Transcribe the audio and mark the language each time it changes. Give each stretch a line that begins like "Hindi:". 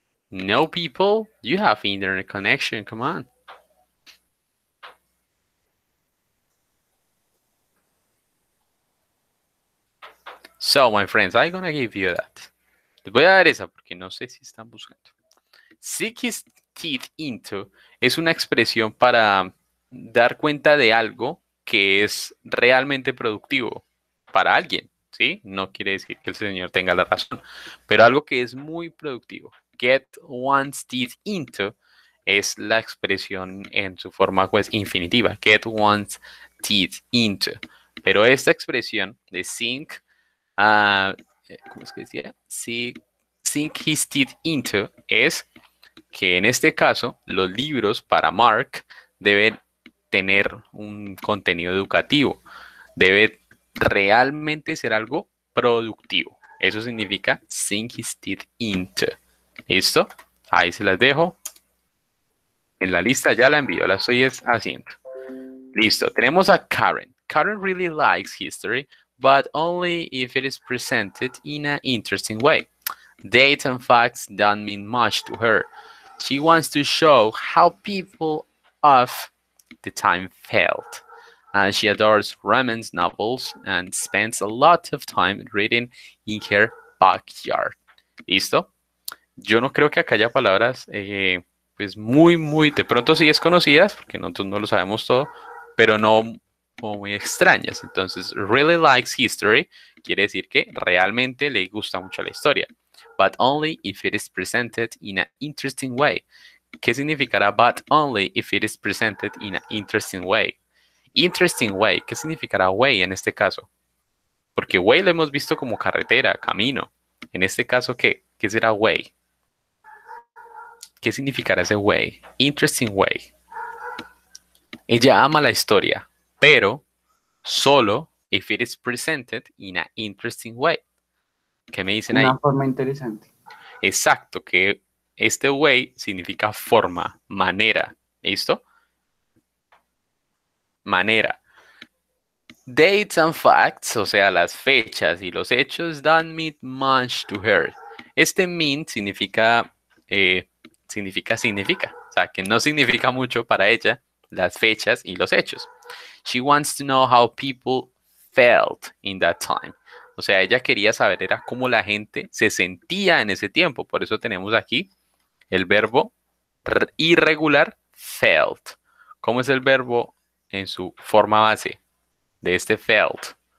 English: No people, you have internet connection, come on. So, my friends, I'm gonna give you that.
Spanish: Les voy a dar esa porque no sé si están buscando.
English: Sink his teeth into
Spanish: es una expresión para dar cuenta de algo que es realmente productivo para alguien, ¿sí? No quiere decir que el señor tenga la razón, pero algo que es muy productivo.
English: Get one step into
Spanish: es la expresión en su forma pues infinitiva.
English: Get one step into.
Spanish: Pero esta expresión de sink, ¿cómo es que decía?
English: Sink his teeth into
Spanish: es que en este caso los libros para Mark deben tener un contenido educativo, debe realmente ser algo productivo. Eso significa
English: sink his teeth into.
Spanish: ¿Listo? Ahí se las dejo. En la lista ya la envío, la estoy haciendo. Listo, tenemos a Karen.
English: Karen really likes history, but only if it is presented in an interesting way. Dates and facts don't mean much to her. She wants to show how people of the time felt. She adores romance novels and spends a lot of time reading in her backyard.
Spanish: ¿Listo? Yo no creo que acá haya palabras, pues muy, muy, de pronto sí desconocidas, porque nosotros no lo sabemos todo, pero no muy extrañas. Entonces,
English: really likes history
Spanish: quiere decir que realmente le gusta mucho la historia.
English: But only if it is presented in an interesting way.
Spanish: ¿Qué significará
English: but only if it is presented in an interesting way? Interesting way,
Spanish: ¿qué significará way en este caso? Porque way lo hemos visto como carretera, camino. En este caso, ¿qué? ¿Qué será way? ¿Qué significará ese way? Interesting way. Ella ama la historia, pero solo
English: if it is presented in an interesting way.
Spanish: ¿Qué me dicen Una ahí? forma interesante. Exacto, que este way significa forma, manera. ¿Listo? Manera.
English: Dates and facts,
Spanish: o sea, las fechas y los hechos,
English: don't mean much to her.
Spanish: Este mean significa, significa. O sea, que no significa mucho para ella las fechas y los hechos.
English: She wants to know how people felt in that time.
Spanish: O sea, ella quería saber era cómo la gente se sentía en ese tiempo. Por eso tenemos aquí el verbo irregular felt. ¿Cómo es el verbo en su forma base de este felt?